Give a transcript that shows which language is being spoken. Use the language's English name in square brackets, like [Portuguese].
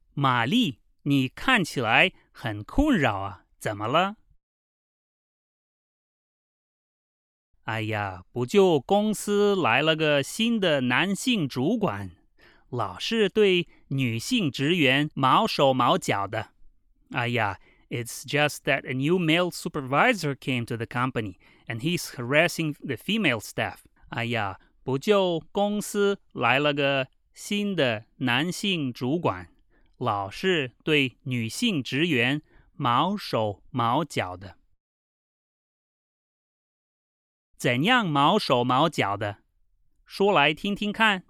[Chinese] 玛丽，你看起来很困扰啊，怎么了？哎呀，不就公司来了个新的男性主管，老是对女性职员毛手毛脚的。 [English] 哎呀 ，It's just that a new male supervisor came to the company. And he's harassing the female staff. [Chinese] 哎呀，不就公司来了个新的男性主管，老是对女性职员毛手毛脚的。怎样毛手毛脚的？说来听听看。